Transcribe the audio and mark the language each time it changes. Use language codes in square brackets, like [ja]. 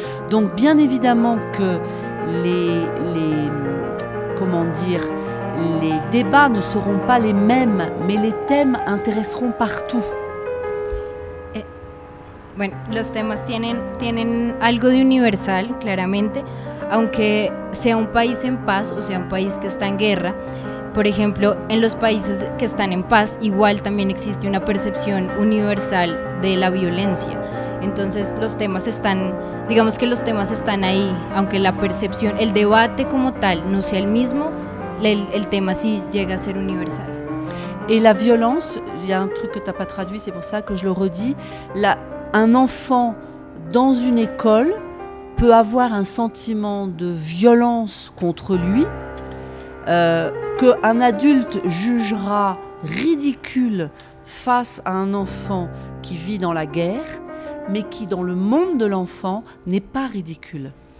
[fr] Donc bien évidemment que les débats ne seront pas les mêmes, mais les thèmes intéresseront partout. [es] Bueno, los temas tienen algo de universal, claramente, aunque sea un país en paz o sea un país que está en guerra. Por ejemplo, en los países que están en paz, igual también existe una percepción universal de la violencia. Entonces, los temas están ahí, aunque la percepción, el debate como tal no sea el mismo, el tema sí llega a ser universal. [fr] Et la violence, il y a un truc que tu as pas traduit, c'est pour ça que je le redis, un enfant dans une école peut avoir un sentiment de violence contre lui qu'un adulte jugera ridicule face à un enfant qui vit dans la guerre, mais qui dans le monde de l'enfant n'est pas ridicule.